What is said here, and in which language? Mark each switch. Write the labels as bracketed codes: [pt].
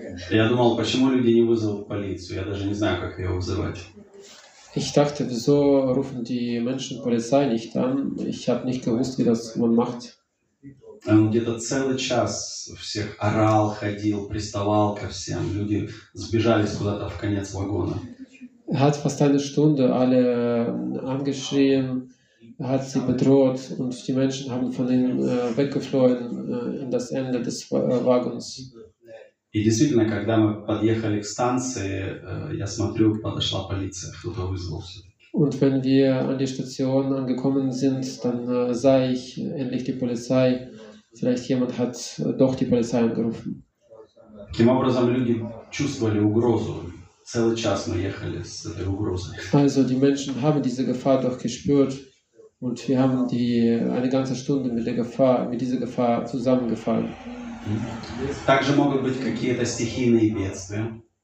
[ru] Я думал, почему люди не вызвали полицию? Я даже не знаю, как ее вызывать. [de] Ich dachte, wieso rufen die Menschen Polizei nicht an? Ich habe nicht gewusst, wie das man macht. [ru] Он где-то целый час всех орал, ходил, приставал ко всем. Люди сбежались куда-то в конец вагона. [de] Er hat fast eine Stunde alle angeschrien, hat sie bedroht und die Menschen haben von ihm weggeflohen in das Ende des Wagens. [ru] И действительно, когда мы подъехали к станции, я смотрю, подошла полиция, кто-то вызвался. [de] Und wenn wir an die Station angekommen sind, dann sah ich endlich die Polizei. Vielleicht jemand hat doch die Polizei angerufen. [ru] Таким образом, люди чувствовали угрозу. Целый час мы ехали с этой угрозой. [de] Also die Menschen haben diese Gefahr doch gespürt und wir haben die eine ganze Stunde mit der Gefahr, mit dieser Gefahr zusammengefahren. [ru] Также могут быть какие-то стихийные бедствия.